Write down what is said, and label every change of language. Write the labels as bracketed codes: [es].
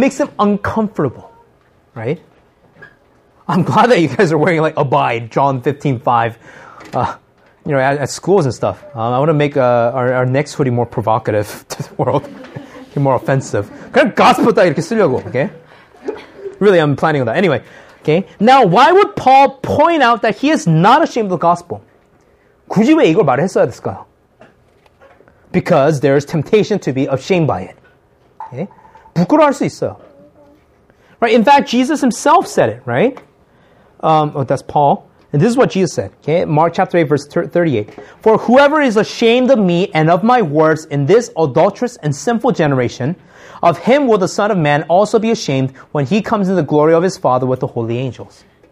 [en] It makes them uncomfortable, right? I'm glad that you guys are wearing, like, Abide, John 15:5, you know, at schools and stuff. I want to make our next hoodie more provocative to the world, more offensive. [ko] 그냥 gospel 딱 이렇게 쓰려고, [en] okay? Really, I'm planning on that. Anyway, okay? Now, why would Paul point out that he is not ashamed of the gospel? [ko] 굳이 왜 이걸 말했어야 됐을까요? [en] Because there is temptation to be ashamed by it. Okay? [ko] 부끄러워할 수 있어요. [en] Right? In fact, Jesus himself said it, right? That's Paul. And this is what Jesus said. Okay? Mark chapter 8, verse 38. For whoever is ashamed of me and of my words in this adulterous and sinful generation, of him will the Son of Man also be ashamed when he comes in the glory of his Father with the holy angels.